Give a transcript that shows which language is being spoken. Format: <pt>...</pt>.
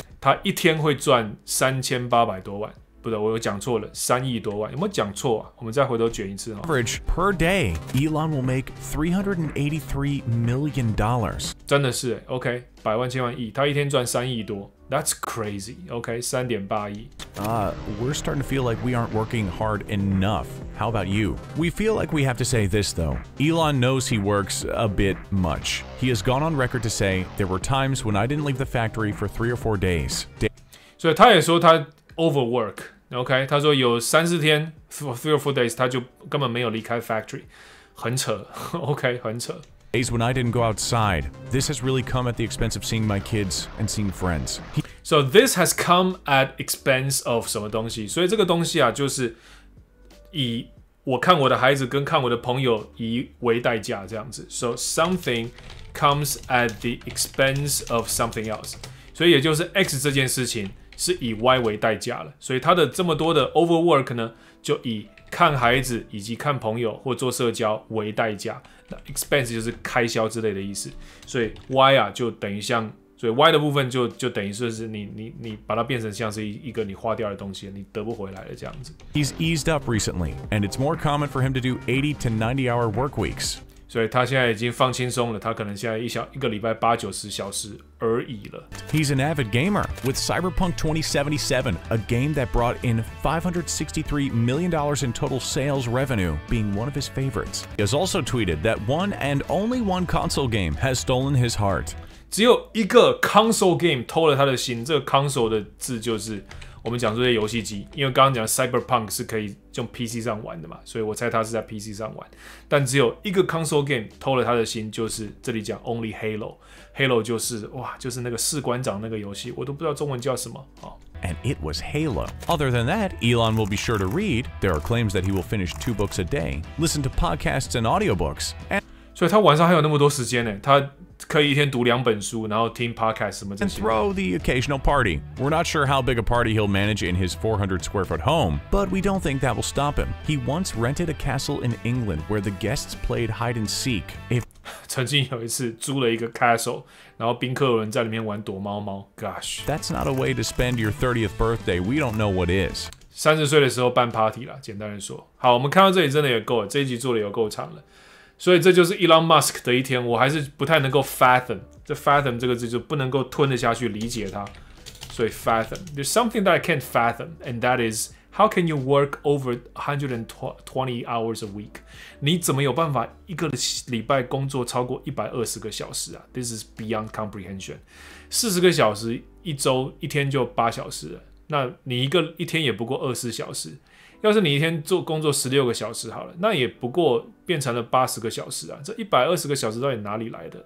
<zh>他一天会赚3800多万，不对，我有讲错了，3亿多万，有没有讲错啊？我们再回头卷一次啊。</zh> <en>Average per day， Elon will make $383 million。</en> <zh>真的是 OK， 百万千万亿，他一天赚3亿多。</zh> <en>That's crazy. Okay, 3.8亿. We're starting to feel like we aren't working hard enough. How about you? We feel like we have to say this though. Elon knows he works a bit much. He has gone on record to say there were times when I didn't leave the factory for 3 or 4 days.</en> <zh>所以他也说他 overwork. Okay, 他说有3-4天</zh> <en>for 3 or 4 days,</en> <zh>他就根本没有离开 factory. 很扯.Okay, 很扯。</zh> <en>Days when I didn't go outside. This has really come at the expense of seeing my kids and seeing friends. So this has come at expense of</en> <zh>什么东西？所以这个东西啊，就是以我看我的孩子跟看我的朋友以为代价这样子。</zh> <en>So something comes at the expense of something else.</en> <zh>所以也就是 X 这件事情是以 Y 为代价了。所以他的这么多的 overwork 呢，就以看孩子以及看朋友或做社交为代价。那 expense 就是开销之类的意思。所以 Y 啊就等于像，所以 Y 的部分就等于说是你把它变成像是一个你花掉的东西，你得不回来的这样子。</zh> <en>He's eased up recently, and it's more common for him to do 80 to 90 hour work weeks.</en> <zh>所以他现在已经放轻松了，他可能现在一个礼拜八九十小时而已了。</zh> <en>He's an avid gamer with Cyberpunk 2077, a game that brought in $563 million in total sales revenue, being one of his favorites. He has also tweeted that one and only one console game has stolen his heart.</en> <zh>只有一个 console game 偷了他的心，这个 console 的字就是我们讲说的游戏机，因为刚刚讲 Cyberpunk 是可以用 PC 上玩的嘛，所以我猜他是在 PC 上玩。但只有一个 console game 偷了他的心，就是这里讲 Only Halo。 Halo 就是哇，就是那个士官长那个游戏，我都不知道中文叫什么啊。</zh> <en>And it was Halo. Other than that, Elon will be sure to read. There are claims that he will finish 2 books a day, listen to podcasts and audiobooks. And</en> <zh>所以他晚上还有那么多时间呢，他。可以一天读两本书，然后听 podcast 什么这些。</zh> <en>And throw the occasional party. We're not sure how big a party he'll manage in his 400 square foot home, but we don't think that will stop him. He once rented a castle in England where the guests played hide and seek. If</en> <zh>曾经有一次租了一个 castle， 然后宾客有人在里面玩躲猫猫。Gosh，</zh> <en>that's not a way to spend your 30th birthday. We don't know what is.</en> <zh>三十岁的时候办 party 了，简单的说。好，我们看到这里真的也够了，这一集做的也够长了。所以这就是 Elon Musk 的一天，我还是不太能够 fathom， 这 fathom 这个字就不能够吞得下去理解它。</zh> <en>所以 fathom， there's something that I can't fathom， and that is how can you work over 120 hours a week？</en> <zh>你怎么有办法一个礼拜工作超过120个小时啊？</zh> <en>This is beyond comprehension。</en> <zh>40个小时一周，一天就8小时了，那你一天也不过24小时。要是你一天做工作16个小时好了，那也不过变成了80个小时啊，这120个小时到底哪里来的？</zh>